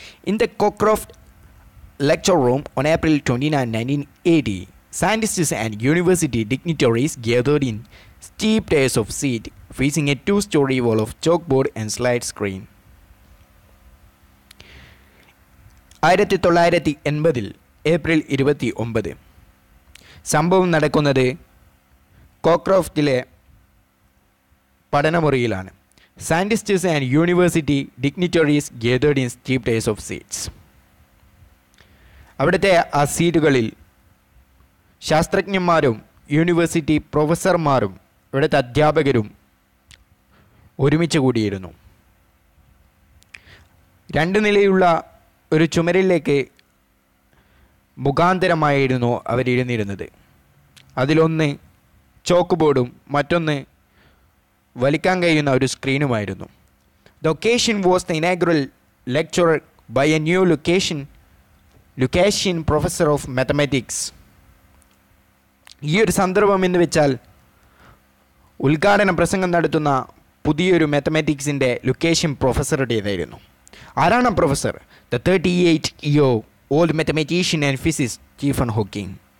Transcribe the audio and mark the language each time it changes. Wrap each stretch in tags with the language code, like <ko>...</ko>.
<en>In the Cockcroft lecture room on April 29, 1980, scientists and university dignitaries gathered in steep tiers of seat facing a two-story wall of chalkboard and slide screen.</en> <ml>1980 April 29, സംഭവം നടക്കുന്നത് കോക്രോഫ്റ്റിലെ പഠനമുറിയിലാണ്.</ml> <en>scientists and university dignitaries gathered in steep tiers of seats.</en> <ml>അവിടുത്തെ ആ സീറ്റുകളിൽ ശാസ്ത്രജ്ഞന്മാരും university പ്രൊഫസർമാരും അവിടുത്തെ അധ്യാപകരും ഒരുമിച്ച് കൂടിയിരുന്നു. രണ്ട് നിലയുള്ള ഒരു ചുമരിലേക്ക് മുഖാന്തരമായിരുന്നു അവരിരുന്നിരുന്നത്. അതിലൊന്ന് ചോക്ക് ബോർഡും മറ്റൊന്ന് വലിക്കാൻ കഴിയുന്ന ഒരു സ്ക്രീനുമായിരുന്നു.</ml> <en>The occasion was the inaugural lecturer by a new Lucasian professor of mathematics.</en> <ml>ഈ ഒരു സന്ദർഭം എന്ന് വെച്ചാൽ ഉദ്ഘാടന പ്രസംഗം നടത്തുന്ന പുതിയൊരു മാത്തമാറ്റിക്സിൻ്റെ ലൊക്കേഷൻ പ്രൊഫസറുടേതായിരുന്നു. ആരാണ് professor?</ml> <en>The 38 old mathematician and physicist Stephen Hawking.</en>